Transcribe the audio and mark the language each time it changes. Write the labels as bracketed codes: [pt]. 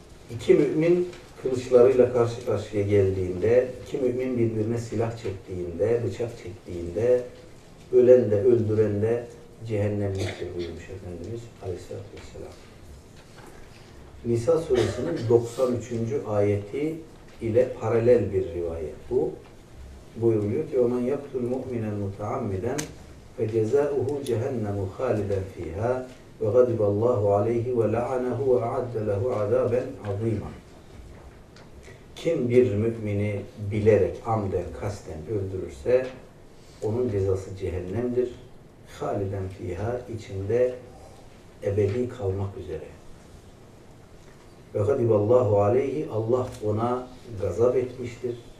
[tr] İki mümin kılıçlarıyla karşı karşıya geldiğinde, iki mümin birbirine silah çektiğinde, bıçak çektiğinde, ölen de öldüren de cehennemliktir buyurmuş Efendimiz aleyhissalatü vesselam. Nisa suresinin 93. ayeti ile paralel bir rivayet bu. Buyuruyor ki [ar] وَمَنْ يَقْتُ الْمُؤْمِنَ الْمُتَعَمِّدًا فَجَزَاءُهُ جَهَنَّمُ خَالِدًا فِيهَا وَغَدِبَ اللّٰهُ عَلَيْهِ وَلَعَنَهُ وَعَدَّ لَهُ عَذَابًا عَظِيمًا [tr] Kim bir mümini bilerek, amden, kasten öldürürse onun cezası cehennemdir. Haliden fiha, içinde ebedi kalmak üzere. Ve gadiballahu aleyhi, Allah ona gazap etmiştir.